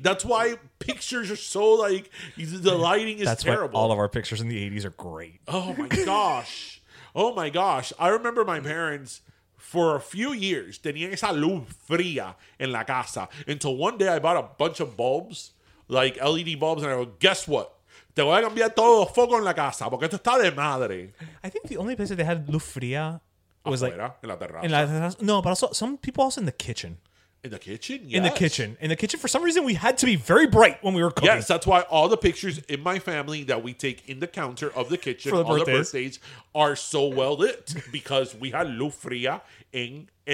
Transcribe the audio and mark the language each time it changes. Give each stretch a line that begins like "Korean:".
English: That's why pictures are so like, the lighting is terrible. That's why all of our pictures in the 80s are great. Oh my gosh. Oh my gosh. I remember my parents, for a few years,
Spanish: tenían esa luz fría en la casa.
English: Until one day I bought a bunch of bulbs, like LED bulbs, and I go, guess what?
Spanish: Te voy a cambiar todo el foco en la casa, porque esto está de madre.
English: I think the only place that they had
Spanish: luz fría
English: was
Spanish: afuera,
English: like,
Spanish: en la terraza. En la terraza.
English: No, but also, some people also in the kitchen. In the kitchen? Yes. In the kitchen. In the kitchen. For some reason, we had to be very bright when we were cooking. Yes, that's why all the pictures in my family that we take in the counter of the kitchen for the on the birthdays are so well lit because we had
Spanish: luz fría
English: in.